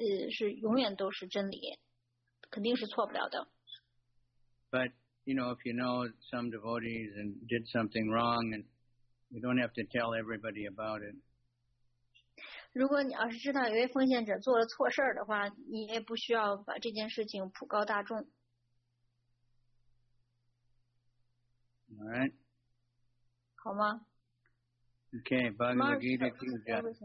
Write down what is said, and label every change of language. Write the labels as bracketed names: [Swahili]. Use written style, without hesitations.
[Chinese] 是永远都是真理，肯定是错不了的。 [English] But you know, if you know some devotees and did something wrong, and you don't have to tell everybody about it. [Chinese] 如果你要是知道有位奉献者做了错事的话，你也不需要把这件事情普告大众。 [English] All right. [Chinese] 好吗 [English] ？Okay, Bhagavad Gita, Puja.